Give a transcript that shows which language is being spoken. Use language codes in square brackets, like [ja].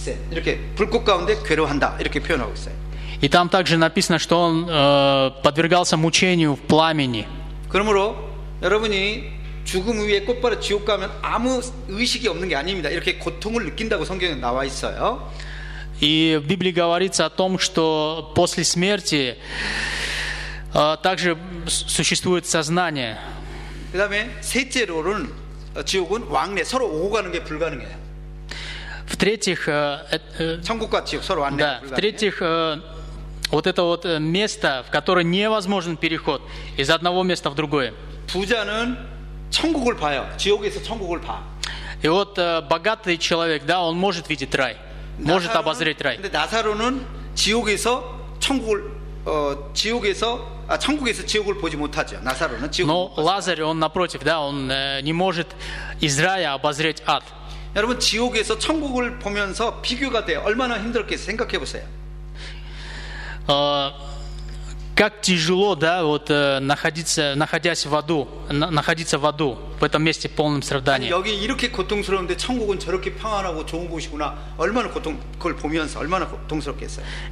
[ko] 이렇게 불꽃 가운데 괴로워한다 이렇게 표현하고 있어요. [ru] И там также написано, что он подвергался мучению в пламени. [ko] 그러므로 여러분이 죽음 위에 꽃바로 지옥 가면 아무 의식이 없는 게 아닙니다. 이렇게 고통을 느낀다고 성경에 나와 있어요. [ru] И в Библии говорится о том, что после смерти также существует сознание. [ko] 그다음에 셋째로는 지옥은 왕래 서로 오고 가는 게 불가능해요. [ru] В-третьих, [ko] 천국과 지옥 서로 왔네. [ru] Да, в-третьих, вот это вот место, в которое невозможен переход из одного места в другое. [ko] 부자는 천국을 봐요. 지옥에서 천국을 봐. [ru] И вот богатый человек, да, он может видеть рай, [ko] 나사로는, [ru] может обозреть рай. [ko] 근데 나사로는 지옥에서 천국을 지옥에서 아 천국에서 지옥을 보지 못하죠. 나사로는 지옥을 [ru] Но Лазарь, он напротив, да, он не может из рая обозреть ад. [ko] 여러분 지옥에서 천국을 보면서 비교가 돼요. 얼마나 힘들었겠어요? 생각해 보세요. [ru] Как тяжело, да, вот находясь в аду, находиться в аду в этом месте полном страдания. [ko] 여기 이렇게 고통스러운데 천국은 저렇게 평안하고 좋은 곳이구나. 얼마나 고통 그걸 보면서 얼마나 고통스럽겠어요.